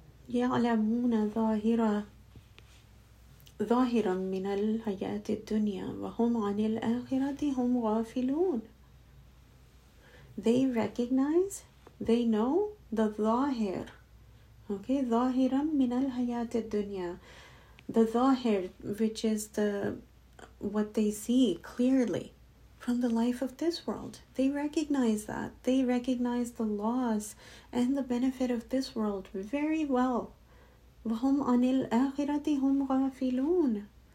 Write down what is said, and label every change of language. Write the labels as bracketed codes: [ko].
[ar] يَعْلَمُونَ ظَاهِرًا مِنَ الْحَيَاةِ الدُّنْيَا وَهُمْ عَنِ الْآخِرَةِ هُمْ غَافِلُونَ. [en] They recognize, they know the ظَاهِر. [ar] Okay, ظَاهِرًا مِنَ الْحَيَاةِ الدُّنْيَا. [en] The ظَاهِر, which is the what they see clearly from the life of this world. They recognize that. They recognize the loss and the benefit of this world very well. [ar] وَهُمْ عَنِ الْآخِرَةِ هُمْ غَافِلُونَ.